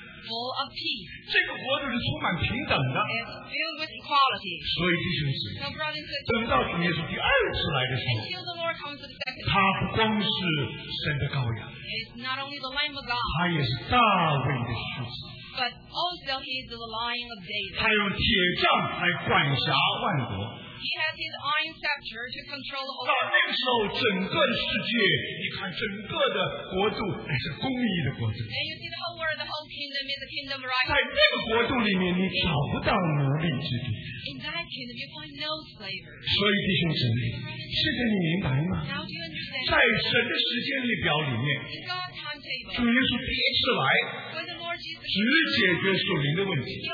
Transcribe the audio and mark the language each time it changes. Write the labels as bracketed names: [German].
[English] Full of peace. [Chinese] 这个国度是充满平等的。 [English] Filled with equality. [Chinese] 所以弟兄姊妹，等到主耶稣第二次来的时候，他不光是神的羔羊，他也是大卫的狮子。 [English] But also he is the Lion of David. [Chinese] 他用铁杖来管辖万国。 [English] He has his iron scepter to control all. [Chinese] 到那个时候，整个的世界，你看整个的国度还是公义的国度。 [English] And you see the whole world, the whole kingdom is the kingdom of right. [Chinese] 在那个国度里面，你找不到奴隶制度。 [English] In that kingdom, you find no slavery. [Chinese] 所以弟兄姊妹，现在你明白吗？在神的时间列表里面，主耶稣第一次来，只解决属灵的问题。